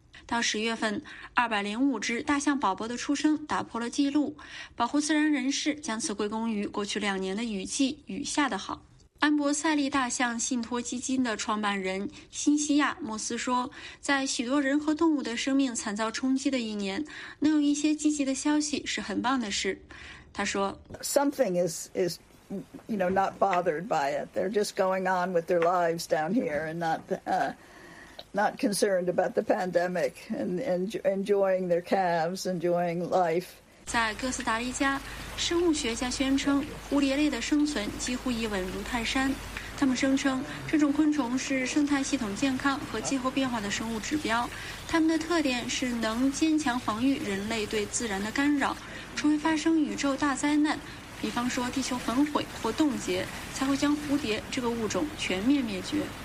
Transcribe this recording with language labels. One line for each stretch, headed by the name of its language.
Chinese: 到十月份，205只大象宝宝的出生打破了记录，保护自然人士将此归功于过去两年的雨季雨下得好。安博塞利大象信托基金的创办人辛西亚·莫斯说，在许多人和动物的生命惨遭冲击的一年，能有一些积极的消息是很棒的事。他说
English: ,Something is, you know, not bothered by it. They're just going on with their lives down here and not concerned about the pandemic and enjoying their calves, enjoying life.
Chinese: 在哥斯达黎加，生物学家宣称蝴蝶类的生存几乎已稳如泰山。他们声称这种昆虫是生态系统健康和气候变化的生物指标，它们的特点是能坚强防御人类对自然的干扰，除非发生宇宙大灾难，比方说地球焚毁或冻结，才会将蝴蝶这个物种全面灭绝。